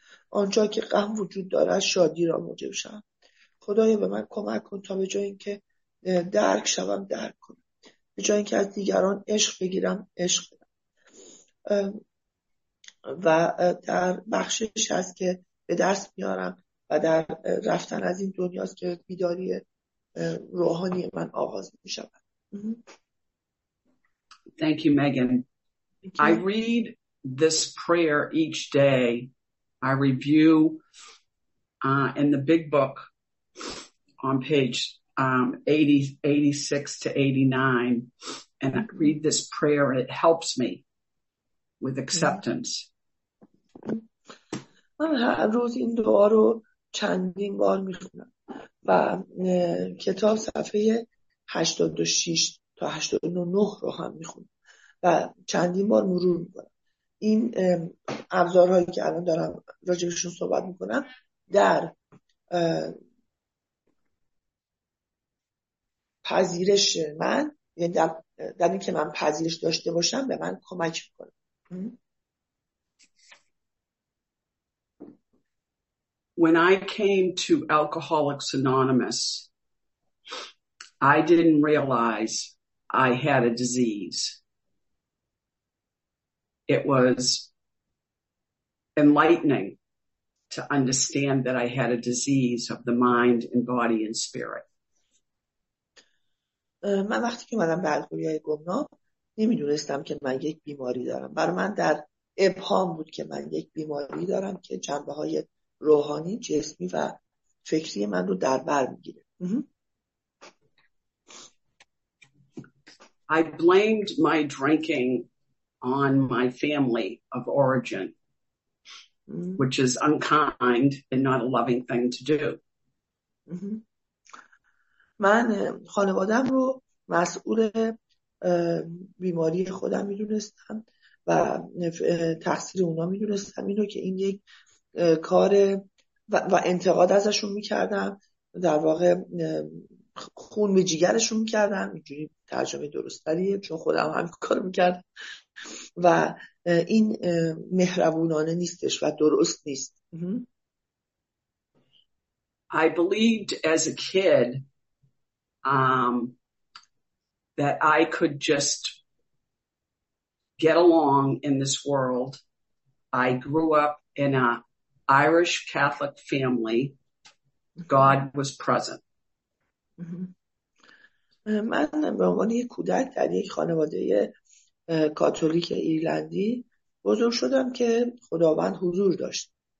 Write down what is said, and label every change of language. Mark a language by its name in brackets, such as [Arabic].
[Persian] آنجا که غم وجود دارد، شادی رو موجب شود. خدایا به من کمک کن تا به جای اینکه درک شوم درک کنم، به جای اینکه از دیگران عشق بگیرم عشق بدم. و در بخشش هست که به درس میارم و در رفتن از این دنیاست که بیداری روحانی من آغاز می شود. [English] Thank you, Megan. I read this prayer each day. I review in the big book on page 86 to 89, and I read this prayer, and it helps me with acceptance. [Persian] من هر روز این دعا رو چندین بار میخونم و کتاب صفحه 86 تا 89 رو هم میخونم و چندین بار مرور میکنم. این ابزارهایی که الان دارم راجبشون صحبت میکنم در پذیرش من، یعنی در این که من پذیرش داشته باشم، به من کمک میکنم. [English] When I came to Alcoholics Anonymous, I didn't realize I had a disease. It was enlightening to understand that I had a disease of the mind and body and spirit. [Persian] من وقتی که اومدم به الکلی‌های گمنام نمی‌دونستم که من یک بیماری دارم. برای من در ابهام بود که من یک بیماری دارم که جنبه‌های روحانی، جسمی و فکری من رو در بر می‌گیره. [English] I blamed my drinking on my family of origin, which is unkind and not a loving thing to do. [Persian] من خانواده‌ام رو مسئول بیماری خودم می‌دونستم و تقصیر اونا می‌دونستم، اینو که این یک کار و انتقاد ازشون می‌کردم، در واقع خون به جگرشون می‌کردم، اینجوری ترجمه درست‌تریه چون خودم همین کارو می‌کردم، و این مهربونانه نیستش و درست نیست. [English] I believed as a kid that I could just get along in this world. I grew up in a Irish Catholic family. God was present. [Persian] من به عنوان یک کودک در یک خانواده کاتولیک ایرلندی بزرگ شدم که خداوند حضور داشت.